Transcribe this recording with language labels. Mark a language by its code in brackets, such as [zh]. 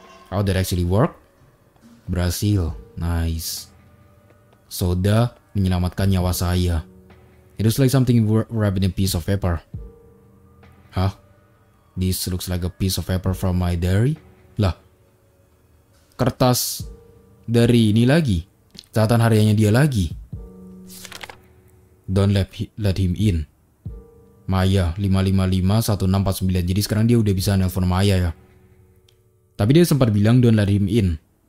[en] Oh, that actually work? Brazil, nice. [id] Soda menyelamatkan nyawa saya. [en] It looks like something wrapped in a piece of paper. Huh? This looks like a piece of paper from my diary. [id] Lah, kertas dari ini lagi. Catatan hariannya dia lagi. [en] Don't let him in. [id] Maya, 555-1649. Jadi sekarang dia udah bisa nelpon Maya ya. Tapi dia sempat bilang [en] don't let him in.